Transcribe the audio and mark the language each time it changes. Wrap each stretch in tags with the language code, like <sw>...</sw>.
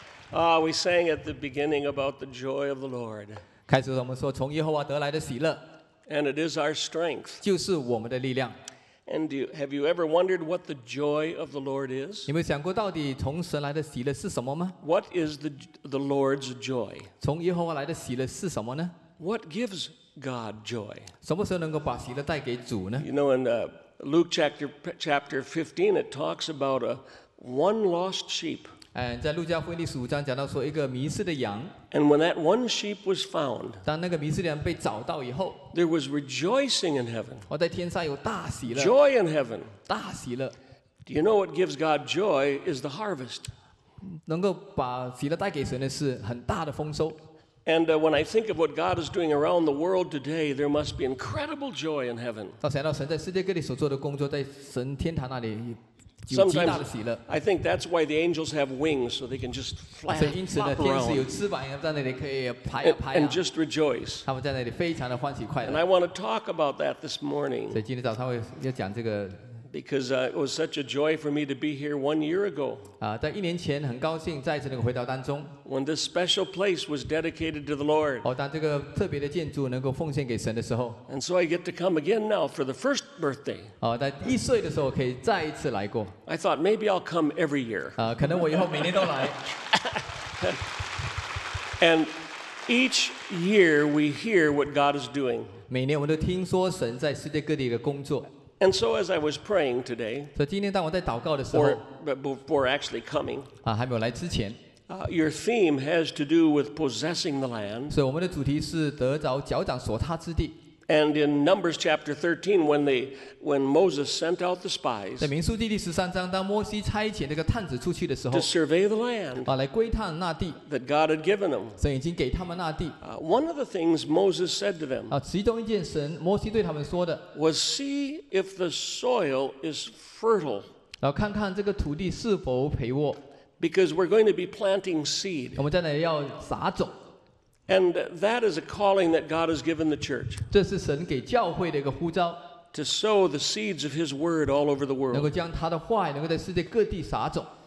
<en>Ah, we sang at the beginning about the joy of the Lord.</en> <zh>开始我们说从耶和华得来的喜乐。</zh> <en>And it is our strength.</en> <zh>就是我们的力量。</zh> <en>And do you, have you ever wondered what the joy of the Lord is?</en> <zh>你们想过到底从神来的喜乐是什么吗？</zh> <en>What is the Lord's joy?</en> <zh>从耶和华来的喜乐是什么呢？</zh> <en>What gives God joy?</en> <zh>什么时候能够把喜乐带给主呢？</zh> <en>You know, in Luke chapter 15, it talks about one lost sheep.</en> <zh>在路加福音第十五章讲到说一个迷失的羊。</zh> <en>And when that one sheep was found,</en> <zh>当那个迷失的羊被找到以后，</zh> <en>there was rejoicing in heaven.</en> <zh>我在天上有大喜乐。</zh> <en>Joy in heaven.</en> <zh>大喜乐。</zh> <en>Do you know what gives God joy is the harvest?</en> <zh>能够把喜乐带给神的是很大的丰收。</zh> <en>And when I think of what God is doing around the world today, there must be incredible joy in heaven.</en> <zh>当想到神在世界各地所做的工作，在神天堂那里。</zh> <en>Sometimes I think that's why the angels have wings, so they can just flap around.</en> <zh>所以因此呢，天使有翅膀，在那里可以拍呀拍呀。</zh> <en>And just rejoice.</en> <zh>他们在那里非常的欢喜快乐。</zh> <en>And I want to talk about that this morning.</en> <zh>所以今天早上会要讲这个。</zh> <en>Because it was such a joy for me to be here 1 year ago.</en> <zh>在一年前很高兴在这个回到当中。</zh> <en>When this special place was dedicated to the Lord.</en> <zh>当这个特别的建筑能够奉献给神的时候。</zh> <en>And so I get to come again now for the first birthday.</en> <zh>在一岁的时候可以再一次来过。</zh> <en>I thought maybe I'll come every year.</en> <zh>可能我以后每年都来。</zh> <en>And each year we hear what God is doing.</en> <zh>每年我们都听说神在世界各地的工作。</zh> <en>And so as I was praying today,</en> <zh>所以今天当我在祷告的时候</zh> <en>before actually coming,</en> <zh>还没有来之前</zh> <en>your theme has to do with possessing the land.</en> <zh>所以我们的主题是得着脚掌所踏之地。</zh> <en>And in Numbers chapter 13, when Moses sent out the spies,</en> <zh>在民数记第十三章，当摩西差遣这个探子出去的时候</zh> <en>，to survey the land,</en> <zh>来窥探那地</zh> <en>，that God had given them,</en> <zh>神已经给他们那地。</zh> <en>One of the things Moses said to them,</en> <zh>其中一件神摩西对他们说的</zh> <en>，was see if the soil is fertile,</en> <zh>然后看看这个土地是否肥沃</zh> <en>，because we're going to be planting seed,</en> <zh>我们在那里要撒种。</zh> <en>And that is a calling that God has given the church.</en> <zh>这是神给教会的一个呼召。</zh> <en>To sow the seeds of His word all over the world.</en> <zh>能够将他的话语能够在世界各地撒种。</zh>